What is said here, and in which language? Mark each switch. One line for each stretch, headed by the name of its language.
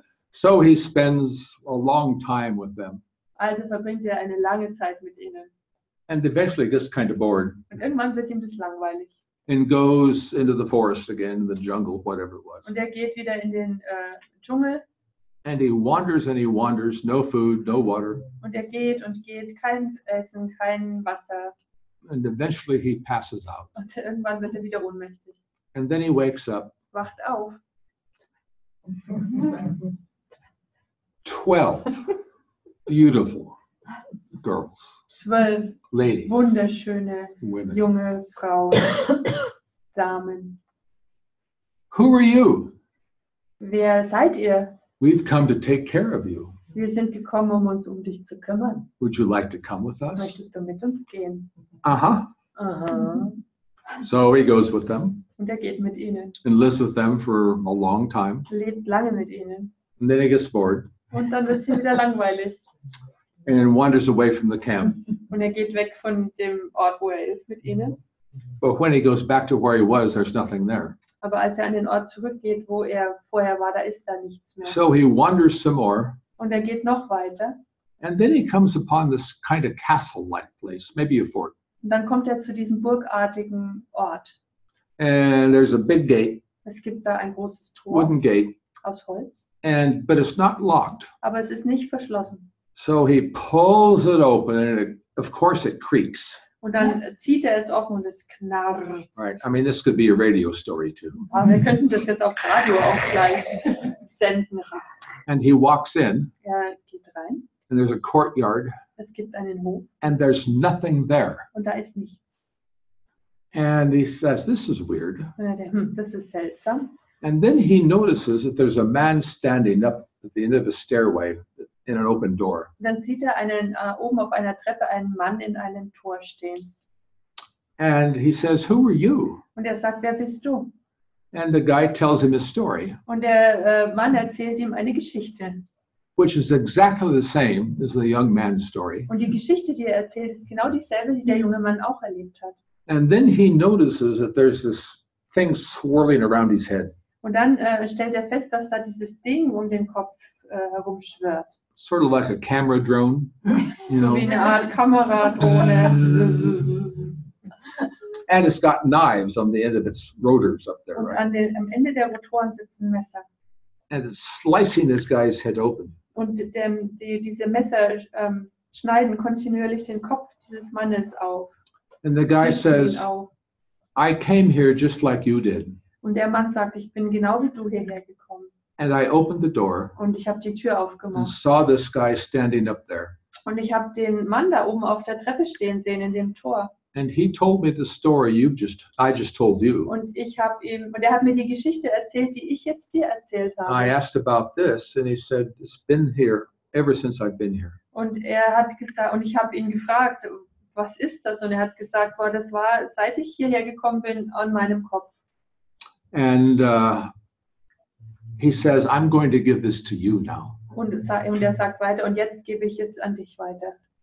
English: So he spends a long time with them.
German: Also verbringt er eine lange Zeit mit ihnen.
English: And eventually gets kind of bored.
German: Und irgendwann wird ihm das langweilig.
English: And goes into the forest again, the jungle, whatever it was.
German: Und geht wieder in den Dschungel.
English: And he wanders and he wanders, no food, no water.
German: Und geht und geht, kein Essen, kein Wasser.
English: And eventually he passes out.
German: Und irgendwann wird wieder ohnmächtig.
English: And then he wakes up.
German: Wacht auf.
English: 12 beautiful girls. 12 ladies,
German: wunderschöne women. Junge Frauen, Damen.
English: Who are you?
German: Wer seid ihr?
English: We've come to take care of you.
German: Wir sind gekommen, um uns um dich zu kümmern.
English: Would you like to come with us?
German: Möchtest du mit uns gehen?
English: Uh-huh. So he goes with them.
German: Und geht mit ihnen.
English: And lives with them for a long time.
German: Lebt lange mit ihnen.
English: And then he gets bored.
German: Und dann wird sie wieder langweilig.
English: And wanders away from the camp.
German: Und geht weg von dem Ort, wo ist mit ihnen.
English: But when he goes back to where he was, there's nothing there.
German: Aber als an den Ort zurückgeht, wo vorher war, da ist da nichts mehr.
English: So he wanders some more.
German: Und geht noch weiter.
English: And then he comes upon this kind of castle-like place, maybe a fort.
German: Und dann kommt zu diesem burgartigen Ort.
English: And there's a big gate.
German: Es gibt da ein großes Tor.
English: Wooden gate.
German: Aus Holz.
English: But it's not locked.
German: Aber es ist nicht verschlossen.
English: So he pulls it open, and of course it creaks.
German: Und dann zieht es offen und es knarrt.
English: Right. I mean, this could be a radio story too.
German: Aber wir könnten das jetzt auf Radio auch gleich senden.
English: And he walks in.
German: Geht rein.
English: And there's a courtyard.
German: Es gibt einen Hof.
English: And there's nothing there.
German: Und da ist nichts.
English: And he says, "This is weird."
German: Das ist seltsam.
English: And then he notices that there's a man standing up at the end of a stairway in an open door.
German: Dann sieht einen oben auf einer Treppe einen Mann in einem Tor stehen.
English: And he says, "Who are you?"
German: Und sagt, wer bist du?
English: And the guy tells him his story.
German: Und Mann erzählt ihm eine Geschichte.
English: Which is exactly the same as the young man's story.
German: Und die Geschichte, die erzählt, ist genau dieselbe, die der junge Mann auch erlebt hat.
English: And then he notices that there's this thing swirling around his head.
German: Und dann stellt fest, dass da dieses Ding den Kopf herumschwirrt.
English: Sort of like a camera drone, you know.
German: So wie eine Art Kameradrohne.
English: And it's got knives on the end of its rotors up there,
German: und
English: right?
German: Und am Ende der Rotoren sitzen Messer.
English: And it's slicing this guy's head open.
German: Und diese Messer schneiden kontinuierlich den Kopf dieses Mannes auf.
English: And the guy says, "I came here just like you did."
German: Und Mann sagt, ich bin genau wie du hierher gekommen.
English: And I opened the door.
German: Und ich habe die Tür aufgemacht.
English: And saw this guy standing up there.
German: Und ich habe den Mann da oben auf der Treppe stehen sehen in dem Tor.
English: And he told me the story I just told you.
German: Und ich habe ihm und hat mir die Geschichte erzählt, die ich jetzt dir erzählt habe.
English: I asked about this and he said it's been here ever since I've been here.
German: Und hat gesagt und ich habe ihn gefragt, was ist das? Und hat gesagt, boah, das war, seit ich hierher gekommen bin, an meinem Kopf.
English: And he says, "I'm going to give this to you now."
German: Und sagt weiter, und jetzt gebe ich es an dich weiter.